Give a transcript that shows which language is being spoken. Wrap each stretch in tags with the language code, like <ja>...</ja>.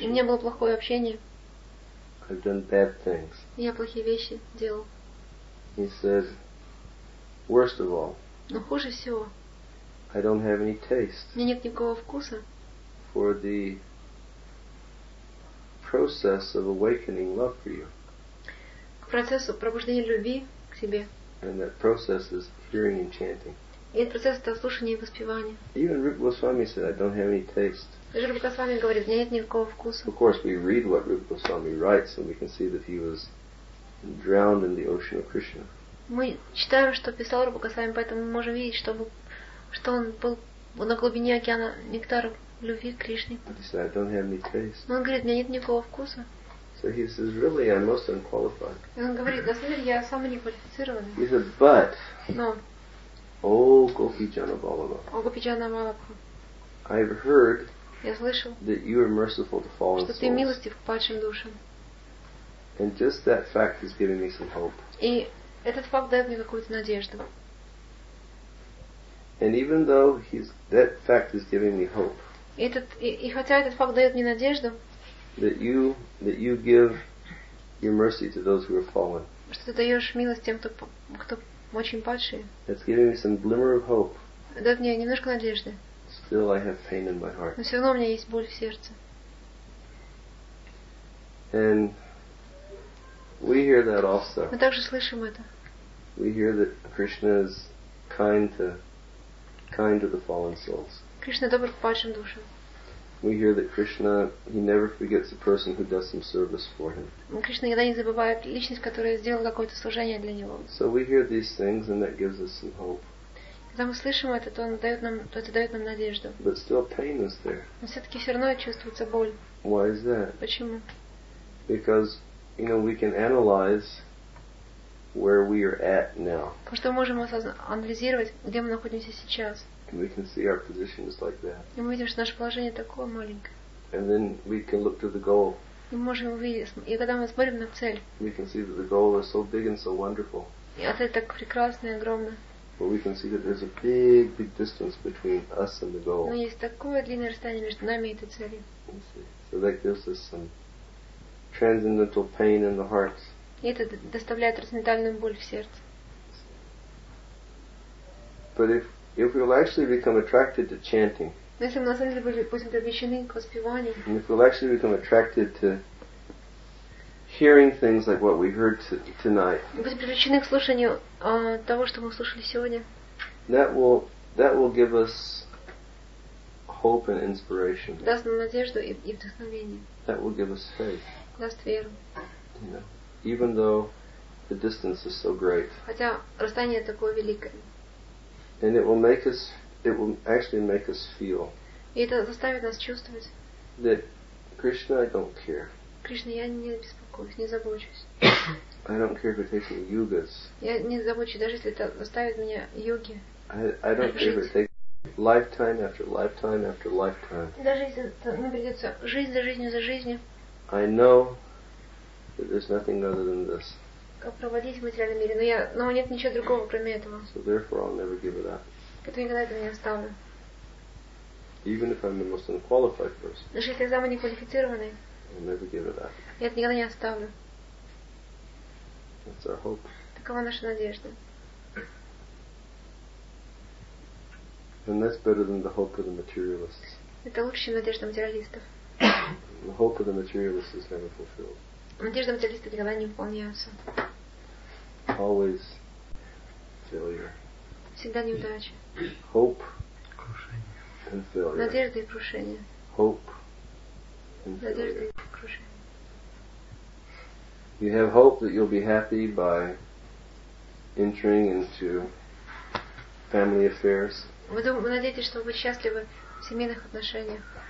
<ru>И у меня было плохое общение.</ru> <en>I've done bad things.</en> <ru>Я плохие вещи делал.</ru> <en>He said, worst of all.</en> <ru>Но хуже всего.</ru> <en>I don't have any taste.</en> <ru>У меня нет никакого вкуса.</ru> <en>For the process of awakening love for you.</en> <ru>К процессу пробуждения любви к себе.</ru> <en>And that process is hearing and chanting.</en> <ru>И этот процесс это слушание и воспевание.</ru> <en>Even Rupa Goswami said, I don't have any taste.</en> <ru>Даже Рупа Госвами говорит, у меня нет никакого вкуса.</ru> <en>Of course, we read what Rupa Goswami writes, and we can see that he was drowned in the ocean of Krishna.</en> <ru>Мы читаем, что писал Рупа Госвами, поэтому мы можем видеть, что он был на глубине океана нектара любви к Кришне.</ru> <en>Said, I don't have any taste.</en> <ru>Но он говорит, у меня нет никакого вкуса.</ru> <en>So he says, really, I'm most unqualified.</en> <ru>И он говорит, на самом деле, я самый неквалифицированный.</ru> <en>He said, but.</en> <ru>Но. О, Гопиджана Балабху.</ru> <en>I've heard.</en> <ru>Я слышал.</ru> <en>That you are merciful to fallen souls.</en> <ru>Что ты милостив к падшим душам.</ru> <en>And just that fact is giving me some hope.</en> <ru>И этот факт дает мне какую-то надежду.</ru> <en>And even though that fact is giving me hope.</en> <ru>И хотя этот факт дает мне надежду.</ru> <en>That you give your mercy to those who are fallen.</en> <ru>Что ты даешь милость тем, кто очень падшие.</ru> <en>That's giving me some glimmer of hope.</en> <ru>Дает мне немножко надежды.</ru> <en>Still I have pain in my heart.</en> <ru>Но все равно у меня есть боль в сердце.</ru> <en>And we hear that also.</en> <ru>Мы также слышим это.</ru> <en>We hear that Krishna is kind to the fallen souls.</en> <ru>Кришна добр к падшим душам.</ru> <en>We hear that Krishna, he never forgets a person who does some service for him.</en> <ru>Кришна никогда не забывает личность, которая сделала какое-то служение для него.</ru> <en>So we hear these things, and that gives us some hope.</en> <ru>Когда мы слышим это, то это дает нам надежду.</ru> <en>But still pain is there.</en> <ru>Но все-таки все равно чувствуется боль.</ru> <en>Why is that?</en> <ru>Почему?</ru> <en>Because, you know, we can analyze where we are at now.</en> <ru>Потому что мы можем анализировать, где мы находимся сейчас.</ru> <en>And we can see our position is like that.</en> <ru>И мы видим, что наше положение такое маленькое.</ru> <en>And then we can look to the goal.</en> <ru>И мы можем увидеть, и когда мы смотрим на цель.</ru> <en>We can see that the goal is so big and so wonderful.</en> <ru>И цель так прекрасна и огромна.</ru> <en>But we can see that there's a big, big distance between us and the goal.</en> <ru>Но есть такое длинное расстояние между нами и этой целью.</ru> <en>So that gives us some transcendental pain in the heart.</en> <ru>И это доставляет трансцендентальную боль в сердце.</ru> <en>But if we will actually become attracted to chanting,</en> <ru>но если мы на самом деле будем привлечены к воспеванию,</ru> <en>and if we will actually become attracted to hearing things like what we heard tonight,</en> <ru>будем привлечены к слушанию того, что мы слушали сегодня,</ru> <en>that will give us hope and inspiration.</en> <ru>Даст нам надежду и вдохновение.</ru> <en>That will give us faith.</en> <ru>Даст веру.</ru> <en>Even though the distance is so great.</en> <ru>Хотя расстояние такое великое.</ru> <en>And it will actually make us feel.</en> <ru>И это заставит нас чувствовать.</ru> <en>That Krishna, I don't care.</en> <ru>Кришна, я не беспокоюсь, не забочусь.</ru> <en>I don't care if it takes me yugas.</en> <ru>Я не забочусь, даже если это заставит меня йоги.</ru> <en>I don't care if it takes lifetime after lifetime after lifetime.</en> <ru>Даже если мне придется жизнь за жизнью за жизнью.</ru> <en>I know. But there's nothing other than this.</en> <ru>Как проводить в материальном мире? Но нет ничего другого, кроме этого.</ru> <en>So therefore, I'll never give it up.</en> <ru>Поэтому никогда этого не оставлю.</ru> <en>Even if I'm the most unqualified person.</en> <ru>Даже если я самый неквалифицированный.</ru> <en>I'll never give it up.</en> <ru>Я это никогда не оставлю.</ru> <en>That's our hope.</en> <ru>Такова наша надежда.</ru> <en>And that's better than the hope of the materialists.</en> <ru>Это лучше, чем надежда материалистов.</ru> <en>The hope of the materialists is never fulfilled.</en> <ru>Надежда материалистов никогда не выполняется.</ru> <en>Always failure.</en> <ru>Всегда неудача.</ru> <en>Hope.</en> <ru>Крушение.</ru> <en>And failure.</en> <ru>Надежда и крушение.</ru> <en>Hope.</en> <ru>Надежда.</ru> <en>You have hope that you'll be happy by entering into family affairs.</en> <ru>Вы надеетесь, что вы счастливы в семейных отношениях.</ru>